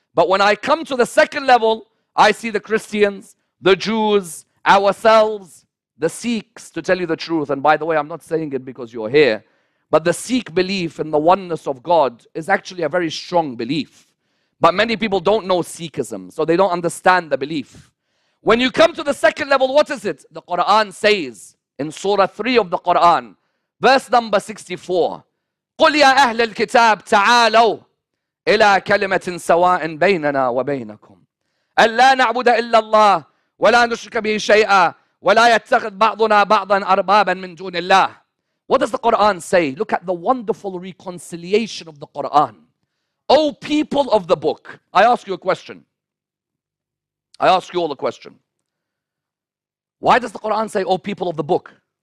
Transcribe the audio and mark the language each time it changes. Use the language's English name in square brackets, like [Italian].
[English] But when I come to the second level, I see the Christians, the Jews, ourselves, the Sikhs, to tell you the truth. And by the way, I'm not saying it because you're here. But the Sikh belief in the oneness of God is actually a very strong belief. But many people don't know Sikhism, so they don't understand the belief. When you come to the second level, what is it? The Quran says in Surah 3 of the Quran, verse number 64, [Arabic] قُلْ يَا أَهْلَ الْكِتَابِ تَعَالَوْ إِلَىٰ كَلِمَةٍ سَوَاءٍ بَيْنَنَا وَبَيْنَكُمْ أَلَّا نَعْبُدَ إِلَّا اللَّهِ وَلَا نُشْرِكَ بِهِ شَيْئًا وَلَا يَتَّخِذْ بَعْضُنَا بَعْضًا أَرْبَابًا مِنْ دُونِ اللَّهِ. [English] What does the Quran say? Look at the wonderful reconciliation of the Quran. O people of the book, I ask you a question. I ask you all a question. Why does the Quran say, O people of the book?